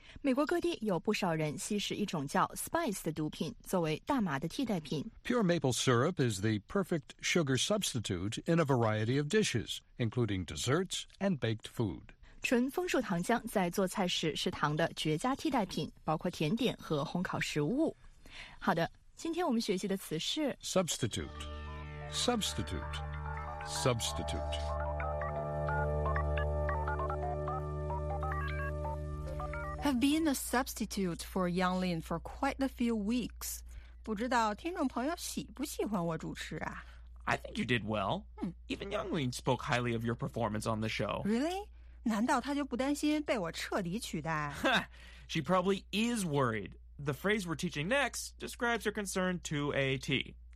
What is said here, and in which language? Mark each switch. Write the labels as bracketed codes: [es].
[zh] 美国各地有不少人吸食一种叫 spice 的毒品，作为大麻的替代品。 [en] Pure maple syrup is the perfect sugar substitute in a variety of dishes, including desserts and baked food. [zh] 纯枫树糖浆在做菜时是糖的绝佳替代品，包括甜点和烘烤食物。好的，今天我们学习的词是 [en] substitute, substitute, substitute. I've been a substitute for Yang Lin for quite a few weeks. [zh] 不知道听众朋友喜不喜欢我主持啊？ [en] I think you did well. Even Yang Lin spoke highly of your performance on the show. Really? [zh] 难道他就不担心被我彻底取代？ [en] She probably is worried. The phrase we're teaching next describes her concern to a T.